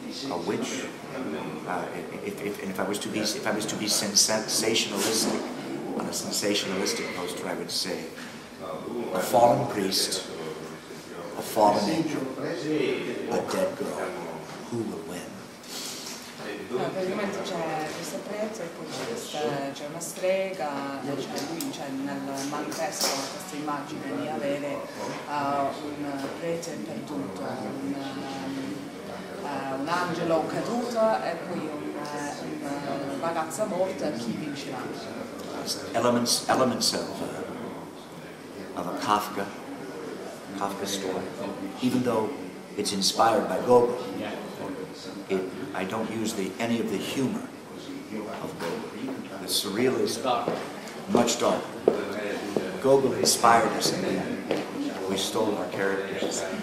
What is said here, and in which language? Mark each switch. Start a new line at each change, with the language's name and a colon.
English: A witch. If I was to be sensationalistic, on a sensationalistic poster, I would say a fallen priest, a fallen angel, a dead girl. Who will win?
Italian: No, per il momento c'è questo prezzo e poi c'è una strega, c'è nel manifesto questa immagine di avere un prete perduto, un angelo caduto e poi una ragazza morta, chi vincerà?
English: Elements of a Kafka story, even though it's inspired by Gogol. I don't use any of the humor of Gogol. The surreal is much darker. Gogol inspired us and we stole our characters.